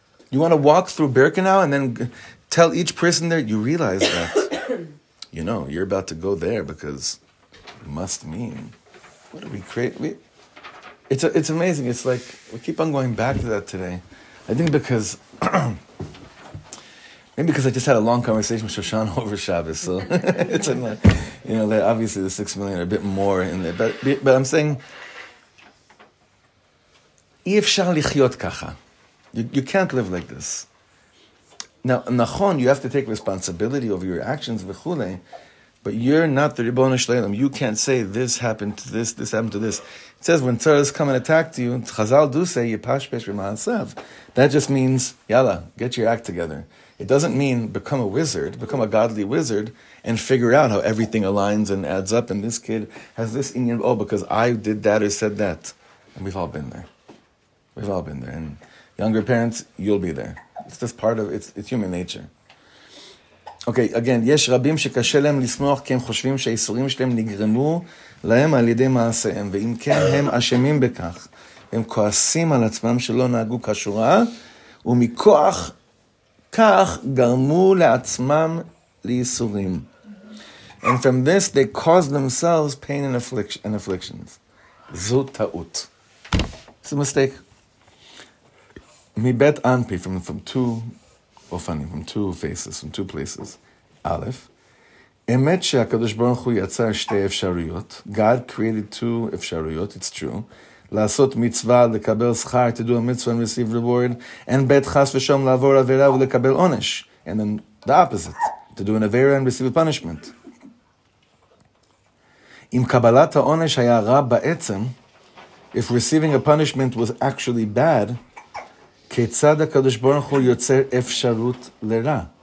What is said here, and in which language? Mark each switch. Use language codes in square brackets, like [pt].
[en] You want to walk through Birkenau and then tell each person there, you realize that, you know, you're about to go there because it must mean, what do we create? It's amazing. It's like, we keep on going back to that today. I think because, maybe because I just had a long conversation with Shoshana over Shabbos, so it's in my, you know, obviously the 6 million are a bit more in there. But I'm saying, [he] אי-אפשר לחיות ככה. [en] You can't live like this. Now, nachon, you have to take responsibility over your actions, v'chule, but you're not the ribon shleilam. You can't say, this happened to this, this happened to this. It says, when tzaras come and attack to you, chazal do say, yipashpesh v'ma'asav. That just means, yalla, get your act together. It doesn't mean become a wizard, become a godly wizard, and figure out how everything aligns and adds up, and this kid has this inyan, oh, because I did that or said that. And we've all been there. We've all been there. And younger parents, you'll be there. It's just part of, it's human nature. Okay, again, [he] יש רבים שקשה להם לסמוך כי הם חושבים שהיסורים שלהם נגרמו להם על ידי מעשיהם, ואם כן הם אשמים בכך, הם כועסים על עצמם שלא נהגו כשורה, ומכוח כך גרמו לעצמם לייסורים. [en] And from this, they caused themselves pain and afflictions. [he] זו טעות. [en] It's a mistake. [he] מבית אנפי, [en] from two אופנים, from two faces, from two places. [he] אלף, אמת שהקדוש ברוך הוא יצר שתי אפשרויות. [en] God created two אפשרויות, it's true. [he] לעשות מצווה, לקבל שכר, [en] to do a mitzvah and receive reward, and [he] בית חס ושום לעבור עבירה ולקבל עונש. [en] And then the opposite, to do an avera and receive a punishment. [he] אם קבלת העונש היה רע בעצם, [en] if receiving a punishment was actually bad, [he] כיצד הקדוש ברוך הוא יוצר אפשרות לרע?